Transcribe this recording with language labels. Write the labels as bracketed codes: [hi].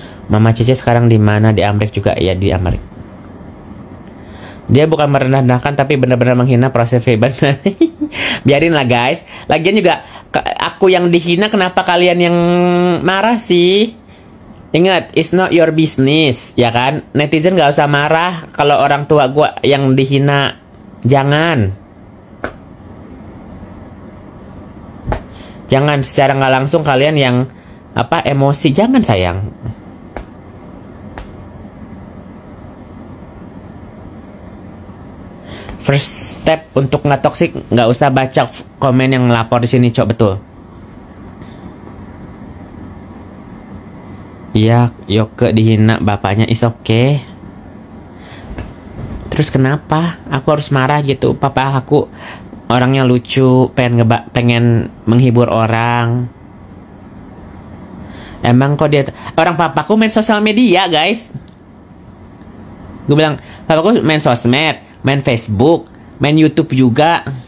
[id] Mama Cece sekarang di mana? Di Amerika juga, ya di Amerika. Dia bukan merendahkan tapi benar-benar menghina proses bebas. Biarin lah guys. Lagian juga aku yang dihina, kenapa kalian yang marah sih? Ingat, [en] it's not your business, [id] ya kan? Netizen gak usah marah kalau orang tua gue yang dihina. Jangan. Jangan secara gak langsung kalian yang apa emosi. Jangan sayang. First step untuk gak toxic, gak usah baca komen yang ngelapor di sini, cok, betul. Iya, Yoke dihina bapaknya, [en] is okay. [id] Terus kenapa? Aku harus marah gitu, papa aku orangnya lucu, pengen menghibur orang. Emang kok dia, orang papaku main sosial media, guys. Gue bilang, papaku main sosmed, main Facebook, main YouTube juga.